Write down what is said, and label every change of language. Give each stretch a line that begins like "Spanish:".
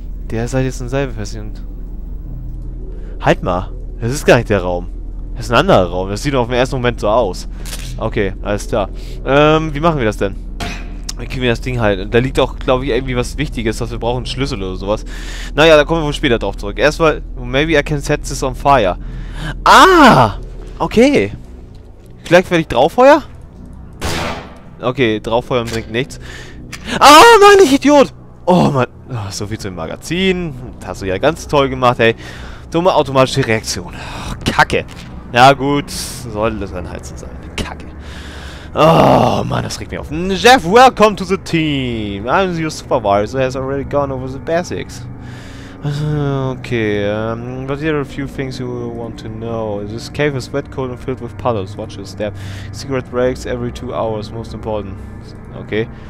German: Der Seite ist ein Seil befestigt. Halt mal. Das ist gar nicht der Raum. Das ist ein anderer Raum. Das sieht auf den ersten Moment so aus. Okay, alles klar. Wie machen wir das denn? Dann kriegen wir das Ding halt. Und da liegt auch, glaube ich, irgendwie was Wichtiges, dass wir brauchen einen Schlüssel oder sowas. Naja, da kommen wir wohl später drauf zurück.
English: Erstmal, maybe I can set this on fire.
German: Ah! Okay. Vielleicht werde ich drauffeuer? Okay, drauffeuern bringt nichts. Ah, Mann, ich Idiot! Oh, Mann. Oh, so viel zu dem Magazin. Das hast du ja ganz toll gemacht, ey. Dumme automatische Reaktion. Oh, Kacke. Na gut, sollte das dann halt so sein. Oh man, das regt mich auf.
English: Jeff, welcome to the team. I'm your supervisor, has already gone over the basics. Okay, but here are a few things you want to know. This cave is wet, cold and filled with puddles. Watch your step. Cigarette breaks every 2 hours, most important. Okay.